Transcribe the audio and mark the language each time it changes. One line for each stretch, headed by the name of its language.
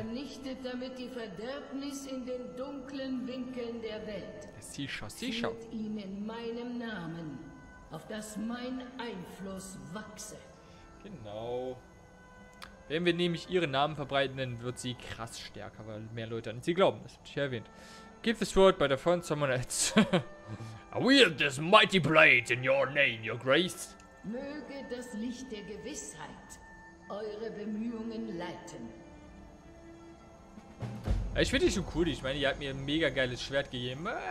German: Vernichtet damit die Verderbnis in den dunklen Winkeln der Welt. Sicher, sicher. Nehmt ihn in meinem Namen, auf das mein Einfluss wachse. Genau. Wenn wir nämlich ihren Namen verbreiten, dann wird sie krass stärker, weil mehr Leute an sie glauben. Das habe ich erwähnt.
English: Give this word by the phone someone else. I wield this mighty blade in your name, your grace.
German: Möge das Licht der Gewissheit eure Bemühungen leiten. Ich finde die schon cool. Ich meine, ihr habt mir ein mega geiles Schwert gegeben.